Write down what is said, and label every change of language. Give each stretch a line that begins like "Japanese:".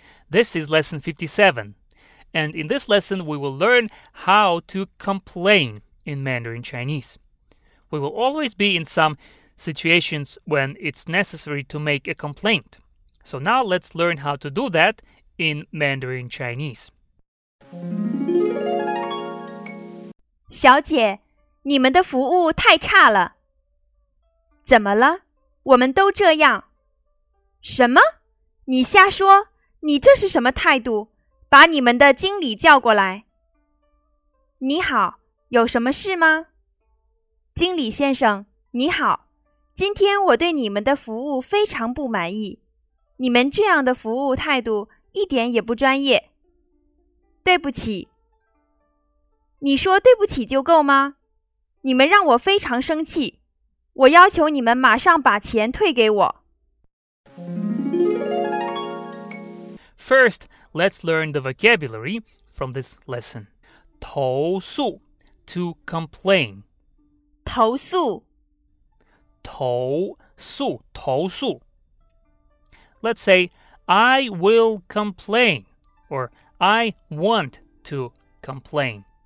English: This is lesson 57, and in this lesson we will learn how to complain in Mandarin Chinese. We will always be in some situations when it's necessary to make a complaint. So now let's learn how to do that in Mandarin Chinese.
Chinese: 小姐，你们的服务太差了。怎么了？我们都这样。什么？你瞎说！你这是什么态度？把你们的经理叫过来。你好，有什么事吗？经理先生，你好，今天我对你们的服务非常不满意，你们这样的服务态度一点也不专业。对不起。你说对不起就够吗？你们让我非常生气。我要求你们马上把钱退给我。
English: First, let's learn the vocabulary from this lesson. 投诉, to complain.
Chinese: 投诉。
English: 投诉, 投诉。Let's say, I will complain, or I want to complain.